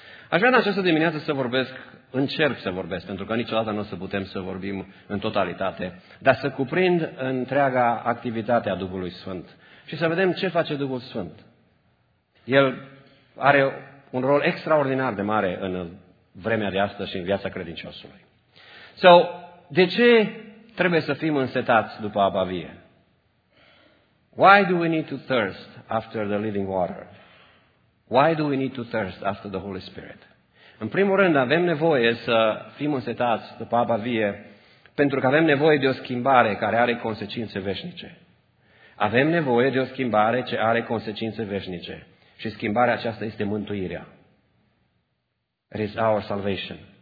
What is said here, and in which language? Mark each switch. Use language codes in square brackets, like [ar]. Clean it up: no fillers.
[ro] Aș vrea în această dimineață să vorbesc, încerc să vorbesc, pentru că niciodată nu o să putem să vorbim în totalitate, dar să cuprind întreaga activitate a Duhului Sfânt și să vedem ce face Duhul Sfânt. El are un rol extraordinar de mare în vremea de astăzi și în viața credinciosului. So, de ce trebuie să fim însetați după apa vie? [en] Why do we need to thirst after the living water? Why do we need to thirst after the Holy Spirit? [ro] În primul rând, avem nevoie să fim însetați după apa vie pentru că avem nevoie de o schimbare care are consecințe veșnice. Avem nevoie de o schimbare ce are consecințe veșnice. Și schimbarea aceasta este mântuirea. [en] It is our salvation.